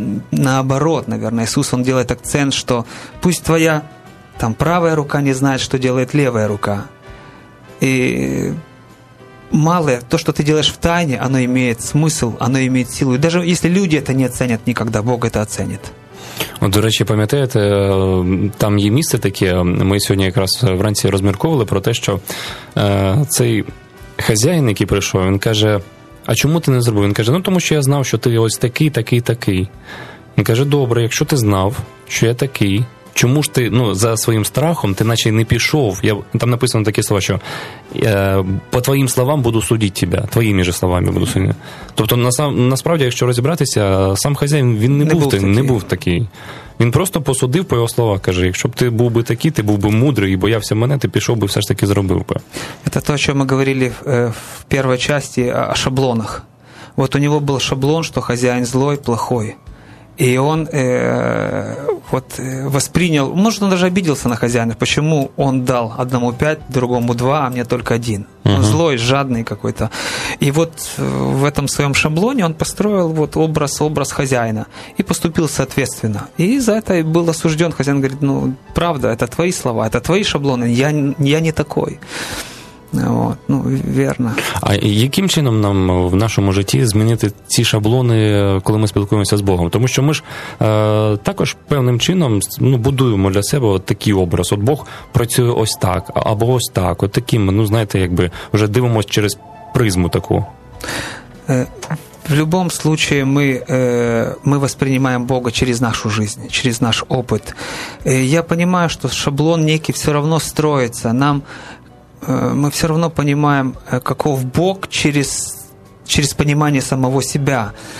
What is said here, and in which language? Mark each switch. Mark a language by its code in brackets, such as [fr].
[ru] Наоборот, наверное, Иисус, он делает акцент, что пусть твоя там правая рука не знает, что делает левая рука. И малое, то, что ты делаешь в тайне, оно имеет смысл, оно имеет силу. И даже если люди это не оценят никогда, Бог это оценит. [uk] От, до речі, пам'ятаєте, там є місце таке, ми сьогодні якраз вранці розмірковували про те, що цей хазяїн, який прийшов, він каже, а чому ти не зробив? Він каже, ну тому що я знав, що ти ось такий, такий, такий. Він каже, добре, якщо ти знав, що я такий, чому ж ти, ну, за своїм страхом, ти наче й не пішов? Там написано такі слова, що по твоїм словам буду судити тебе, твоїми ж словами буду судити. Тобто, насправді, якщо розібратися, сам хазяїн, він не був такий. Він просто посудив по його словах, каже, якщо б ти був би такий, ти був би мудрий і боявся мене, ти пішов би, все ж таки зробив би. Це те, що ми говорили в першій частині, о шаблонах. От у нього був шаблон, що хазяїн [ru] злой, плохой. И он вот воспринял, может, он даже обиделся на хозяина, почему он дал одному 5, другому 2, а мне только 1. Он злой, жадный какой-то. И вот в этом своем шаблоне он построил вот образ хозяина и поступил соответственно. И за это и был осужден. Хозяин говорит, ну, правда, это твои слова, это твои шаблоны, я не такой. Вот, ну, верно. [uk] А яким чином нам в нашому житті змінити ці шаблони, коли ми спілкуємося з Богом? Тому що ми ж також певним чином будуємо для себе от такий образ. От Бог працює ось так, або ось так, от таким. Ну, знаєте, якби вже дивимося через призму таку. [ru] В любом случае мы воспринимаем Бога через нашу жизнь, через наш опыт. Я понимаю, что шаблон некий все равно строится. Нам мы все равно понимаем, каков Бог через понимание самого себя.